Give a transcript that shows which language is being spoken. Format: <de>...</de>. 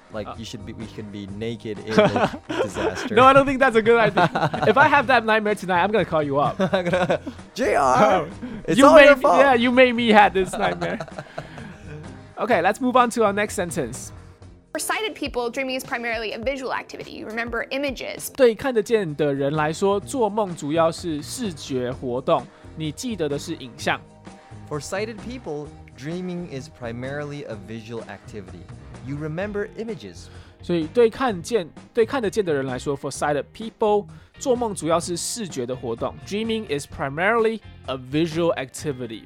<en>Like, we should be naked in a disaster. No, I don't think that's a good idea. If I have that nightmare tonight, I'm going to call you up. JR, it's you all made, your fault. Yeah, you made me have this nightmare. Okay, let's move on to our next sentence. For sighted people, dreaming is primarily a visual activity. Remember, images.</en> <zh>对看得见的人来说，做梦主要是视觉活动。你记得的是影像。</zh> <en>For sighted people, dreaming is primarily a visual activity. You remember images.</en> <zh>所以对看得见的人来说 ，</zh> <en>for sighted people,</en> <zh>做梦主要是视觉的活动。</zh> <en>Dreaming is primarily a visual activity.</en>